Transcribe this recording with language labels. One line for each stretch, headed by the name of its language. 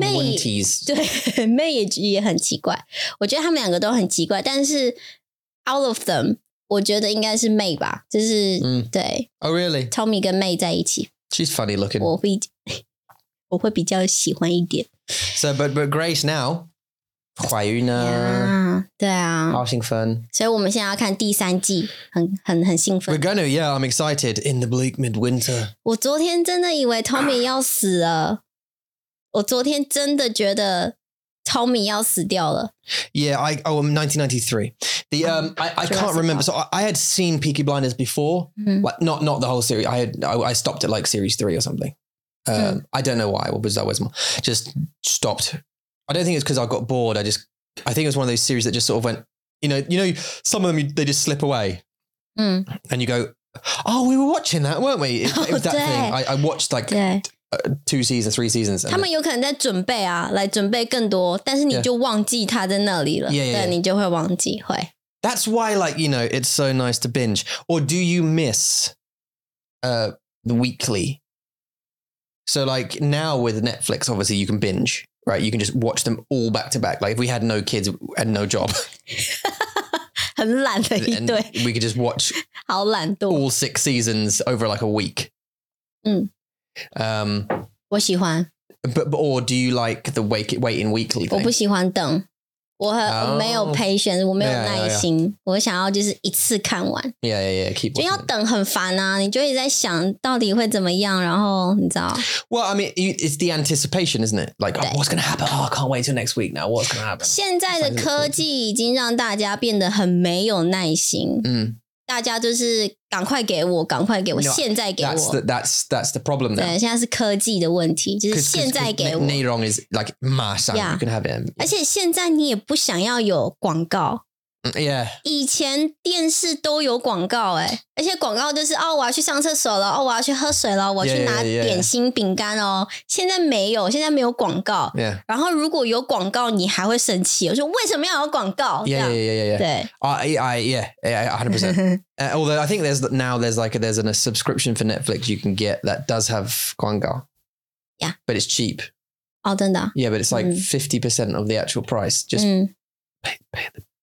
Chinese: winties。 对，妹也很奇怪。我觉得他们两个都很奇怪，但是
English: out of them，
Chinese: 我觉得应该是妹吧，就是、对。
English: Oh really?
Chinese: Tommy 跟妹在一起。
English: She's funny looking.
Chinese: 我会比较喜欢一点。
English: So, but Grace now
Chinese: 怀孕了。对啊。好兴奋。所以我们现在要看第三季。很兴奮
English: We're gonna, yeah, I'm excited in the bleak midwinter.
Chinese: 我昨天真的以为 Tommy 要死了。我昨天真的觉得 Tommy 要死掉了。
English: Yeah, I'm 1993. I can't remember. So I had seen Peaky Blinders before, but not the whole series. I stopped at like series 3 or something. I don't know why. What was that? Just stopped. I don't think it's because I got bored. I think it was one of those series that just sort of went, you know, some of them, they just slip away. And you go, oh, we were watching that, weren't we? It was that thing. I watched like two seasons, three seasons.
Chinese: 他们有可能在准备啊，来准备更多，但是你就忘记他在那里了。
English: Yeah.
Chinese: 你就会忘记，会。
English: That's why, like, you know, it's so nice to binge. Or do you miss the weekly? So like now with Netflix, obviously you can binge, right? You can just watch them all back to back. Like if we had no kids and no job.
Chinese: 很懒的一对
English: We could just watch
Chinese: 好懒惰
English: All six seasons over like a week
Chinese: 我喜欢
English: Or do you like the waiting weekly thing?
Chinese: 我不喜欢等 我没有 patience 我没有耐心 我想要就是一次看完
English: Yeah, keep watching
Chinese: 就要等很烦啊你就一直在想到底会怎么样然后你知道
English: Well, I mean, it's the anticipation, isn't it? Like, oh, what's going to happen? Oh, I can't wait till next week now. What's going to happen?
Chinese: 现在的科技已经让大家变得很没有耐心大家就是赶快给我赶快给我
English: no,
Chinese: 现在给我
English: that's the problem then.
Chinese: 对现在是科技的问题就是现在给我内容
English: is like
Chinese: 马上
English: you can have it
Chinese: 而且现在你也不想要有广告
English: Yeah.
Chinese: 以前电视都有广告哎，而且广告就是哦，我要去上厕所了，哦，我要去喝水了，我去拿点心饼干哦。现在没有，现在没有广告。
English: Yeah.
Chinese: 然后如果有广告，你还会生气，我说为什么要有广告？
English: Yeah, 100%. Although I think there's a subscription for Netflix you can get that does have
Chinese: 广告。
English: Yeah. But it's cheap.
Chinese: 哦，真的。
English: Yeah, but it's like 50% of the actual price. Just pay the.